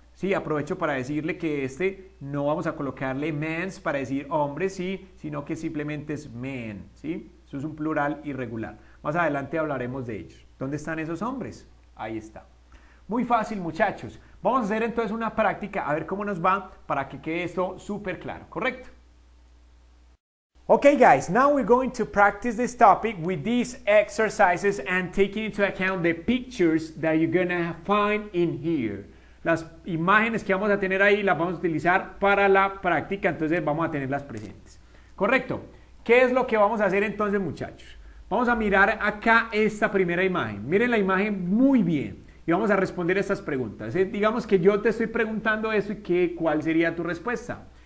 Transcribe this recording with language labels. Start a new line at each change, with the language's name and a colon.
Spanish: Sí, aprovecho para decirle que este no vamos a colocarle men's para decir hombres, sí, sino que simplemente es men, ¿sí? Eso es un plural irregular. Más adelante hablaremos de ellos. ¿Dónde están esos hombres? Ahí está. Muy fácil, muchachos. Vamos a hacer entonces una práctica, a ver cómo nos va para que quede esto súper claro, ¿correcto?
English: Okay, guys, now we're going to practice this topic with these exercises and taking into account the pictures that you're going to find in here.
Spanish: Las imágenes que vamos a tener ahí las vamos a utilizar para la práctica, entonces vamos a tenerlas presentes. ¿Correcto? ¿Qué es lo que vamos a hacer entonces, muchachos? Vamos a mirar acá esta primera imagen. Miren la imagen muy bien. Y vamos a responder estas preguntas. Digamos que yo te estoy preguntando esto y cuál sería tu respuesta.